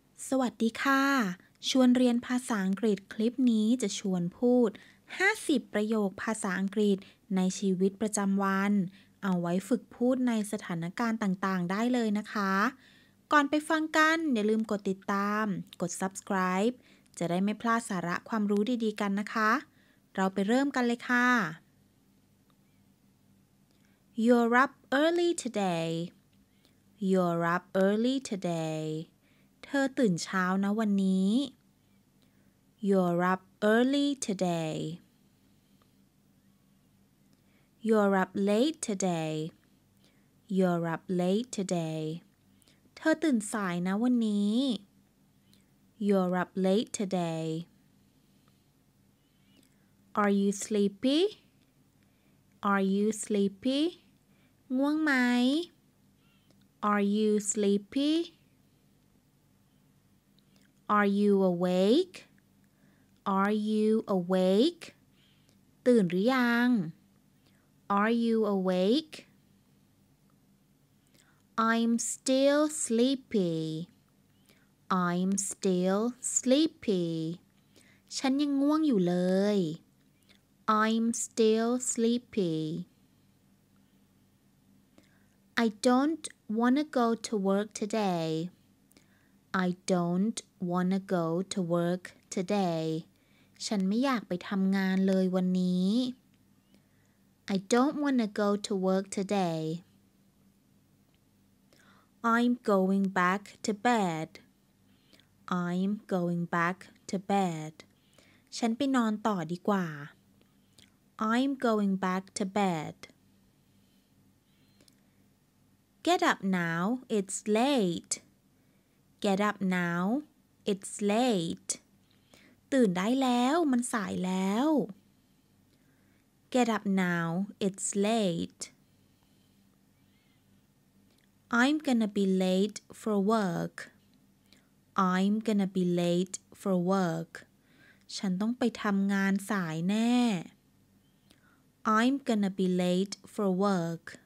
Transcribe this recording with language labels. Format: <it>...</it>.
<th>สวัสดีค่ะชวนเรียนภาษาอังกฤษคลิปนี้จะชวนพูด50ประโยคภาษาอังกฤษในชีวิตประจำวันเอาไว้ฝึกพูดในสถานการณ์ต่างๆได้เลยนะคะก่อนไปฟังกันอย่าลืมกดติดตามกด Subscribe จะได้ไม่พลาดสาระความรู้ดีๆกันนะคะเราไปเริ่มกันเลยค่ะ</th> <en>You're up early today. You're up early today.</en> <th>เธอตื่นเช้านะวันนี้</th> <en>You're up early today You're up late today You're up late today</en> <th>เธอตื่นสายนะวันนี้</th> <en>You're up late today Are you sleepy? Are you sleepy?</en> <th>ง่วงไหม</th> <en>Are you sleepyAre you awake? Are you awake?</en> <th>ตื่นหรือยัง</th> <en>Are you awake? I'm still sleepy. I'm still sleepy.</en> <th>ฉันยังง่วงอยู่เลย</th> <en>I'm still sleepy. I don't wanna go to work today. I don't wanna go to work today.</en> <th>ฉันไม่อยากไปทำงานเลยวันนี้</th> <en>I don't wanna go to work today. I'm going back to bed. I'm going back to bed.</en> <th>ฉันไปนอนต่อดีกว่า</th> <en>I'm going back to bed. Get up now. It's late. Get up now. It's late.</en> <th>ตื่นได้แล้วมันสายแล้ว</th> <en>Get up now. It's late. I'm gonna be late for work. I'm gonna be late for work.</en> <th>ฉันต้องไปทำงานสายแน่</th> <en>I'm gonna be late for work.</en>